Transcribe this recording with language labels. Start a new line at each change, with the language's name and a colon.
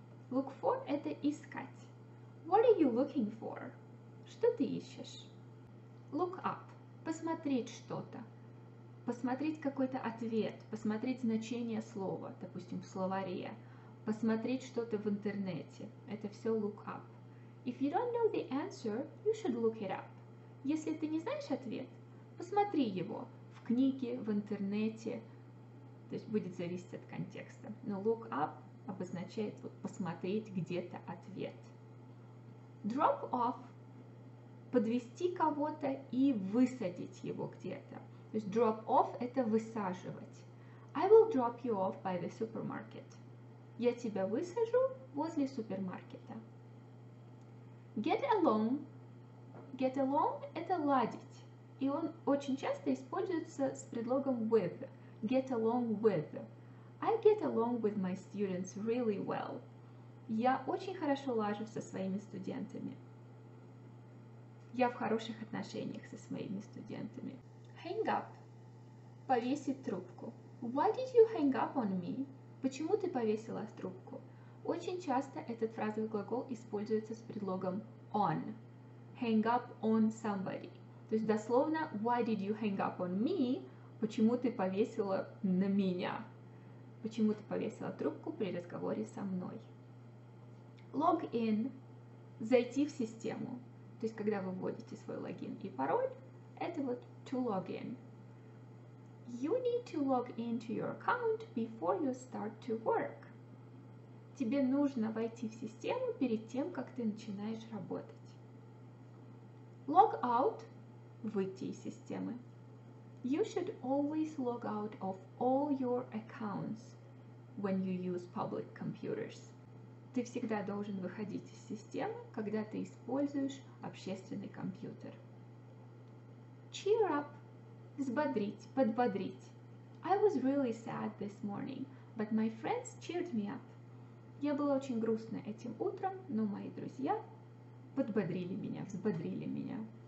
English: Look for –
Russian: это искать.
English: What are you looking for?
Russian: Что ты ищешь?
English: Look up
Russian: – посмотреть что-то. Посмотреть какой-то ответ, посмотреть значение слова, допустим, в словаре. Посмотреть что-то в интернете – это все look up.
English: If you don't know the answer, you should look it up.
Russian: Если ты не знаешь ответ, посмотри его в книге, в интернете. То есть будет зависеть от контекста. Но look up обозначает вот, посмотреть где-то ответ. Drop off – подвести кого-то и высадить его где-то. То есть drop off – это высаживать.
English: I will drop you off by the supermarket.
Russian: Я тебя высажу возле супермаркета.
English: Get along. Get along –
Russian: это ладить. И он очень часто используется с предлогом with.
English: Get along with. I get along with my students really well.
Russian: Я очень хорошо лажу со своими студентами. Я в хороших отношениях со своими студентами.
English: Hang up.
Russian: Повесить трубку.
English: Why did you hang up on me?
Russian: Почему ты повесила трубку? Очень часто этот фразовый глагол используется с предлогом on.
English: Hang up on somebody.
Russian: То есть дословно
English: why did you hang up on me?
Russian: Почему ты повесила на меня? Почему ты повесила трубку при разговоре со мной?
English: Log in.
Russian: Зайти в систему. То есть когда вы вводите свой логин и пароль, это вот to log in.
English: You need to log into your account before you start to work.
Russian: Тебе нужно войти в систему перед тем, как ты начинаешь работать.
English: Log out
Russian: – выйти из системы.
English: You should always log out of all your accounts when you use public computers.
Russian: Ты всегда должен выходить из системы, когда ты используешь общественный компьютер.
English: Cheer up –
Russian: взбодрить, подбодрить.
English: I was really sad this morning, but my friends cheered me up.
Russian: Я была очень грустна этим утром, но мои друзья подбодрили меня, взбодрили меня.